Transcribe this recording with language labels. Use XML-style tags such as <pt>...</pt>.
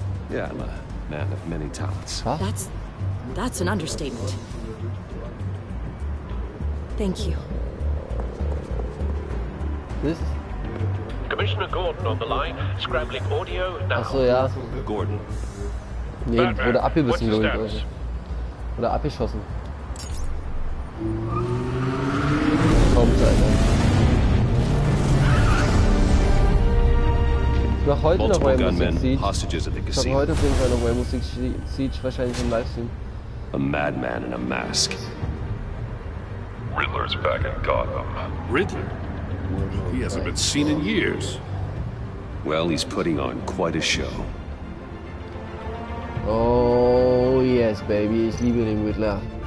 <en>Yeah, I'm a man of many talents. Huh? That's an understatement. Thank you. This? Commissioner Gordon on the line, scrambling audio now.</en> <de>Ach so, ja.</de> <en>Gordon.</en> <de>Nee, wurde abgebissen, glaube ich. Oder abgeschossen. Kommt, Alter. Noch heute noch Rainbow Six Siege. Ich habe heute auf jeden Fall noch Rainbow Six Siege wahrscheinlich im Livestream.</de> <en>A madman in a mask. Riddler's back in Gotham. Riddler? He hasn't been seen in years. Well, he's putting on quite a show. Oh yes, baby,</en> <de>ich liebe den Riddler.</de>